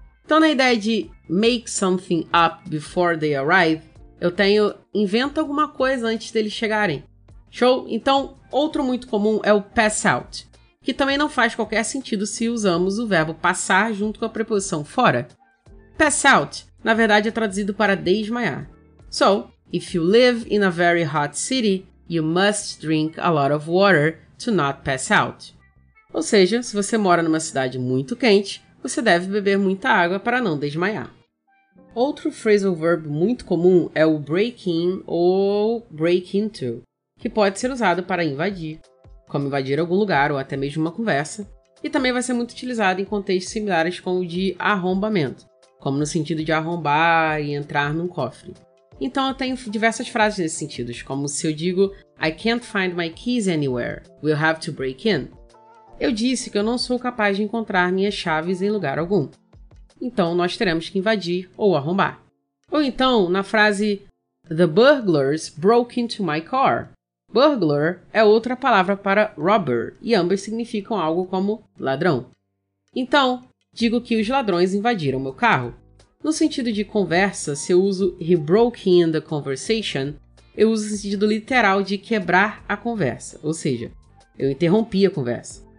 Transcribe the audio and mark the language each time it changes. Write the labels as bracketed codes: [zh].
[pt] Então, na ideia de [en] make something up before they arrive, [pt] eu tenho inventa alguma coisa antes deles chegarem. Show? Então, outro muito comum é o pass out, que também não faz qualquer sentido se usamos o verbo passar junto com a preposição fora. Pass out, na verdade, é traduzido para desmaiar. [en] So, if you live in a very hot city, you must drink a lot of water to not pass out. [pt] Ou seja, se você mora numa cidade muito quente, você deve beber muita água para não desmaiar. Outro phrasal verb muito comum é o break in ou break into, que pode ser usado para invadir, como invadir algum lugar ou até mesmo uma conversa, e também vai ser muito utilizado em contextos similares com o de arrombamento, como no sentido de arrombar e entrar num cofre. Então eu tenho diversas frases nesse sentido, como se eu digo [en] I can't find my keys anywhere, we'll have to break in. [pt] Eu disse que eu não sou capaz de encontrar minhas chaves em lugar algum. Então nós teremos que invadir ou arrombar. Ou então na frase [en] The burglars broke into my car. [pt] Burglar é outra palavra para robber e ambas significam algo como ladrão. Então, digo que os ladrões invadiram meu carro. No sentido de conversa, se eu uso [en] he broke in the conversation, [pt] eu uso o sentido literal de quebrar a conversa, ou seja, eu interrompi a conversa.